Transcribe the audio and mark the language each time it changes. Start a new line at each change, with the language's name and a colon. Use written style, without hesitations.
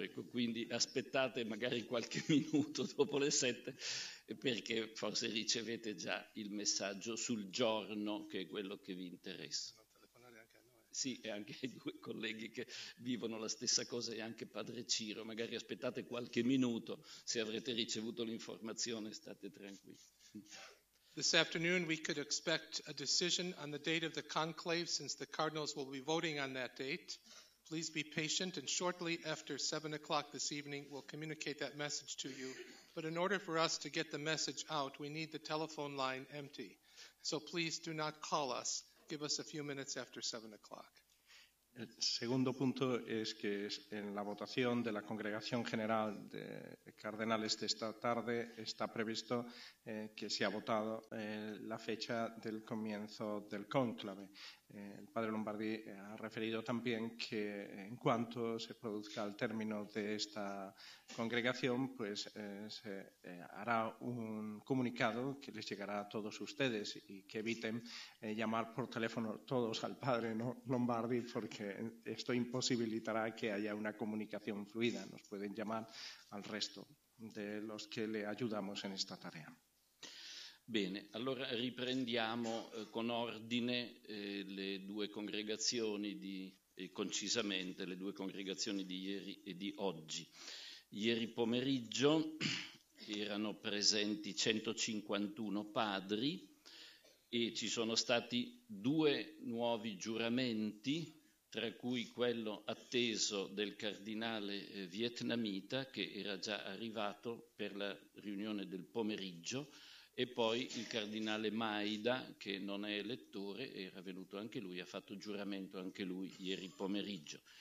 Italian: Ecco, quindi aspettate magari qualche minuto dopo le 7, perché forse ricevete già il messaggio sul giorno che è quello che vi interessa. Non telefonare anche a noi. Sì, e anche ai due colleghi che vivono la stessa cosa e anche Padre Ciro. Magari aspettate qualche minuto, se avrete ricevuto l'informazione state tranquilli.
English: This afternoon we could expect a decision on the date of the conclave since the cardinals will be voting on that date. Please be patient and shortly after 7 o'clock this evening we'll communicate that message to you. But in order for us to get the message out, we need the telephone line empty. So please do not call us. Give us a few minutes after 7 o'clock.
Spanish: El segundo punto es que en la votación de la Congregación General de Cardenales de esta tarde está previsto que se ha votado la fecha del comienzo del cónclave. El padre Lombardi ha referido también que en cuanto se produzca el término de esta congregación, pues se hará un comunicado que les llegará a todos ustedes y que eviten llamar por teléfono todos al padre Lombardi, porque esto imposibilitará que haya una comunicación fluida. Nos pueden llamar al resto de los que le ayudamos en esta tarea.
Italian: Bene, allora riprendiamo con ordine le due congregazioni di concisamente le due congregazioni di ieri e di oggi. Ieri pomeriggio erano presenti 151 padri e ci sono stati due nuovi giuramenti, tra cui quello atteso del cardinale vietnamita che era già arrivato per la riunione del pomeriggio, e poi il cardinale Maida, che non è elettore, era venuto anche lui, ha fatto giuramento anche lui ieri pomeriggio.